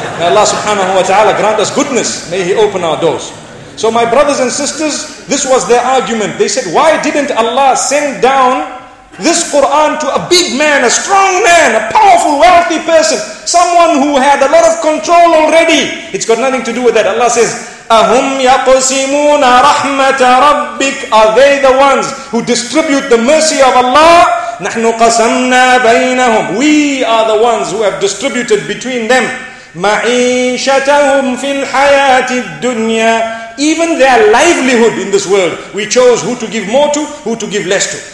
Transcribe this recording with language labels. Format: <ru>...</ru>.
<en>May Allah subhanahu wa ta'ala grant us goodness. May He open our doors. So my brothers and sisters, this was their argument. They said, why didn't Allah send down this Quran to a big man, a strong man, a powerful, wealthy person, someone who had a lot of control already? It's got nothing to do with that. Allah says,</en> <ar>أَهُمْ يَقْسِمُونَ رَحْمَةَ رَبِّكَ.</ar> <en>Are they the ones who distribute the mercy of Allah?</en> <ar>نَحْنُ قَسَمْنَا بَيْنَهُمْ.</ar> <en>We are the ones who have distributed between them.</en> <ar>مَعِيشَتَهُمْ فِي الْحَيَاةِ الدُّنْيَا.</ar> <en>Even their livelihood in this world, we chose who to give more to, who to give less to.</en>